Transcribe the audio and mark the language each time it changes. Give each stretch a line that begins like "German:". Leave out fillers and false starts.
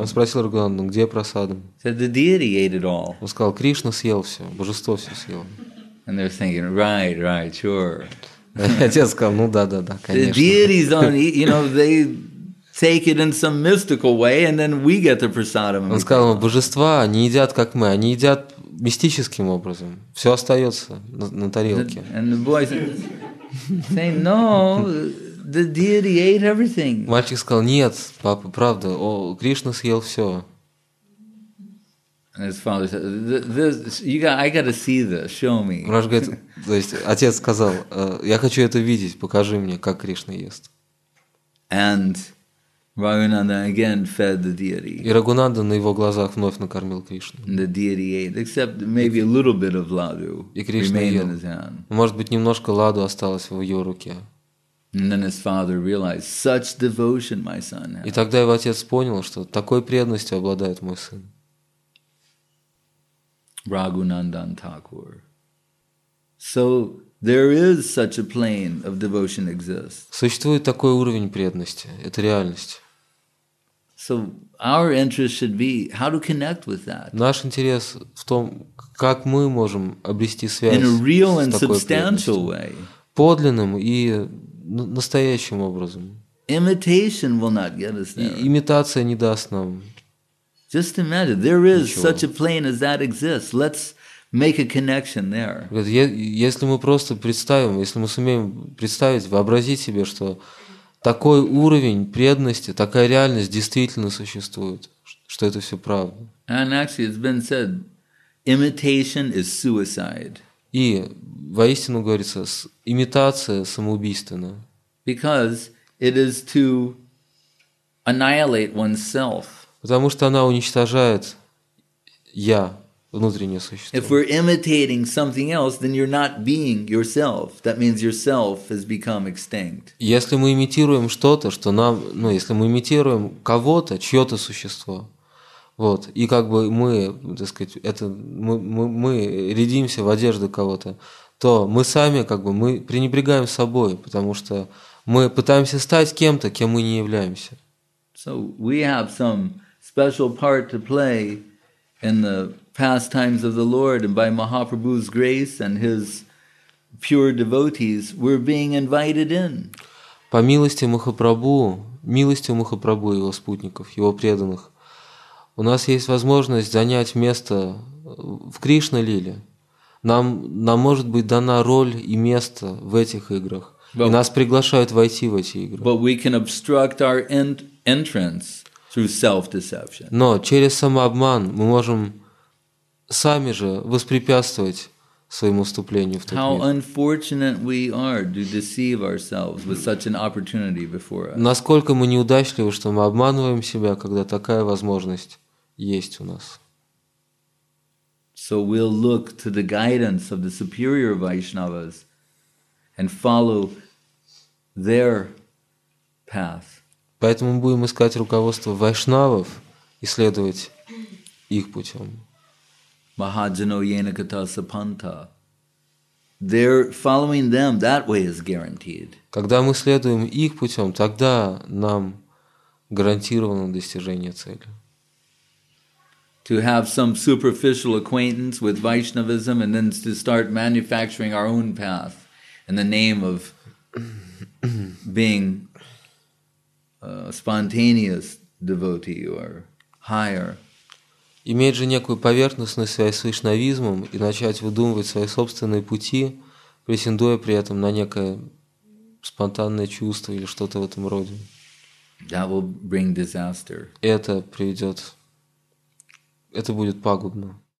Russian: Он спросил Раганандан, где прасадам?
English: Said the deity ate it all.
Russian: Он сказал, Кришна съел все, божество все съело.
English: And they're thinking, right, sure.
Russian: Отец сказал, ну да, конечно.
English: The deities don't, you know, they take it in some mystical way, and then we get the prasadam.
Russian: Он сказал, божества не едят как мы, они едят мистическим образом. Все остается на тарелке.
English: And the boy said, no, the deity ate everything.
Russian: Мальчик сказал, нет, папа, правда, Кришна съел все.
English: And his father said, I gotta see this, show me.
Russian: Раш говорит, то есть отец сказал, я хочу это видеть, покажи мне, как Кришна ест.
English: And Raghunandan again fed the deity.
Russian: И Рагунандан на его глазах вновь накормил Кришну.
English: The deity ate, except maybe a little bit of ладу.
Russian: И Кришна ел. Может быть, немножко ладу осталось в его руке.
English: And then his father realized, such devotion my son has.
Russian: И тогда его отец понял, что такой преданностью обладает мой сын.
English: Raghunandan Thakur. So there is such a plane of devotion exists.
Russian: Существует такой уровень преданности. Это реальность.
English: So our interest should be how to connect with that.
Russian: Наш интерес в том, как мы можем обрести связь с такой преданностью.
English: In a real and substantial way.
Russian: Подлинным и настоящим образом.
English: Imitation will not get us there.
Russian: Имитация не даст нам.
English: Just imagine, there is such a plane as that exists. Let's make a connection there.
Russian: Если мы просто представим, если мы сумеем представить, вообразить себе, что такой уровень преданности, такая реальность действительно существует, что это все правда.
English: And actually, it's been said, imitation is suicide.
Russian: И воистину говорится, имитация самоубийственна.
English: Because it is to annihilate oneself.
Russian: Потому что она уничтожает я. Внутреннее существо.
English: If we're imitating something else, then you're not being yourself. That means yourself has become extinct.
Russian: Если мы имитируем что-то, что нам, ну, если мы имитируем кого-то, чье-то существо, вот, и как бы мы, так сказать, это мы рядимся в одежду кого-то, то мы сами как бы мы пренебрегаем собой, потому что мы пытаемся стать кем-то, кем мы не являемся.
English: So we have some special part to play in the pastimes of the Lord, and by Mahaprabhu's grace and his pure devotees, we're being invited in.
Russian: По милости Махапрабху, его спутников, его преданных, у нас есть возможность занять место в Кришна-лиле. Нам может быть дана роль и место в этих играх. But, и нас приглашают войти в эти игры.
English: But we can obstruct our entrance through self-deception.
Russian: Но через самообман мы можем сами же воспрепятствовать своему вступлению в тот мир.
English: How unfortunate we are to deceive ourselves with such an opportunity before us.
Russian: Насколько мы неудачливы, что мы обманываем себя, когда такая возможность есть у нас.
English: So we'll look to the guidance of the superior Vaishnavas and follow their path.
Russian: Поэтому мы будем искать руководство вайшнавов и следовать их путем.
Sanskrit: Mahajano yena kata sapanta.
English: They're following them, that way is guaranteed.
Russian: Когда мы следуем их путем, тогда нам гарантировано достижение цели.
English: To have some superficial acquaintance with Vaishnavism and then to start manufacturing our own path in the name of being a spontaneous devotee or higher.
Russian: Иметь же некую поверхностную связь с вайшнавизмом и начать выдумывать свои собственные пути, претендуя при этом на некое спонтанное чувство или что-то в этом роде.
English: That will bring disaster.
Russian: Это приведет... Это будет пагубно.